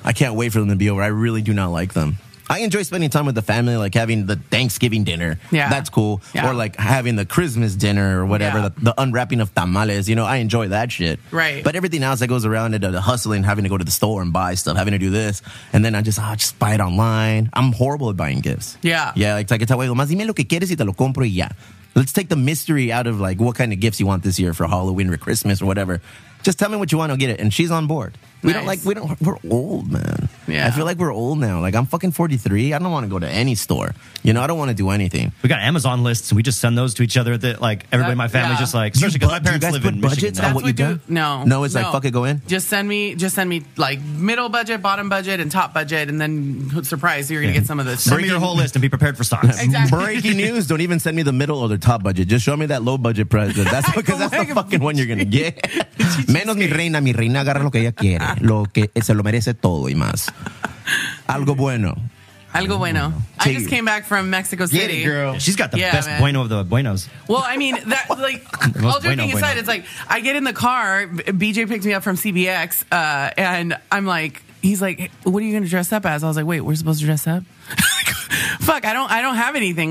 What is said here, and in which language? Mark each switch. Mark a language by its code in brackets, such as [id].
[en] I can't wait for them to be over. I really do not like them. I enjoy spending time with the family, like having the Thanksgiving dinner. Yeah. That's cool. Yeah. Or like having the Christmas dinner or whatever, the unwrapping of tamales. You know, I enjoy that shit. Right. But everything else that goes around it, the hustling, having to go to the store and buy stuff, having to do this. And then I just buy it online. I'm horrible at buying gifts. Yeah. Yeah. Like, it's like, [es] más dime lo que quieres y te lo compro y ya. [en] Let's take the mystery out of like what kind of gifts you want this year for Halloween or Christmas or whatever. Just tell me what you want, I'll get it. And she's on board. We're old, man. Yeah. I feel like we're old now. Like, I'm fucking 43. I don't want to go to any store. You know, I don't want to do anything. We got Amazon lists, and we just send those to each other that, like, everybody in my family just like, especially because my parents live in Michigan. Do you guys put budgets on what you do? No. It's like, fuck it, go in? Just send me, like, middle budget, bottom budget, and top budget, and then, surprise, you're going to get some of this. Send me your whole list and be prepared for stocks. Exactly. Breaking news, don't even send me the middle or the top budget. Just show me that low budget present. That's because that's the fucking one you're going to get. [es] Menos mi reina agarra lo que ella quiere. Lo que se lo merece todo y más. Algo bueno. [en] I just came back from Mexico City. Get it, girl. She's got the best man. Bueno of the buenos. Well, I mean, that like all joking bueno, aside, bueno. It's like I get in the car. BJ picked me up from CBX, and I'm like, he's like, what are you going to dress up as? I was like, wait, we're supposed to dress up? Fuck, I don't have anything.